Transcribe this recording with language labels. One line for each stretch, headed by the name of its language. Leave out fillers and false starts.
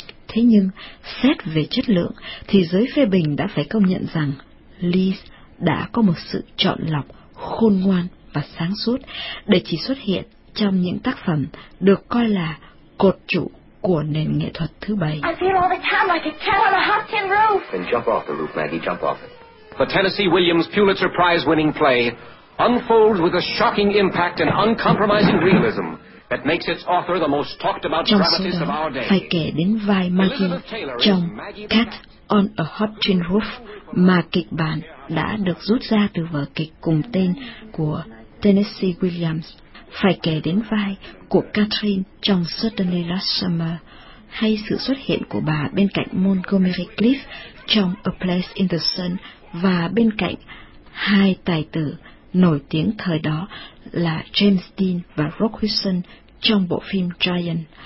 Vietnamese: Thế nhưng, xét về chất lượng thì giới phê bình đã phải công nhận rằng Liz đã có một sự chọn lọc khôn ngoan và sáng suốt để chỉ xuất hiện trong những tác phẩm được coi là cột trụ của nền nghệ thuật thứ bảy.
English: The Tennessee Williams Pulitzer Prize winning play unfolds with a shocking impact and uncompromising realism that makes its author the most talked about dramatist of our day.
Vietnamese: Phải kể đến vai Maggie trong Cat on a Hot Tin Roof mà kịch bản đã được rút ra từ vở kịch cùng tên của Tennessee Williams. Phải kể đến vai của Catherine trong Suddenly Last Summer hay sự xuất hiện của bà bên cạnh Montgomery Clift trong A Place in the Sun và bên cạnh hai tài tử nổi tiếng thời đó là James Dean và Rock Hudson trong bộ phim Giant.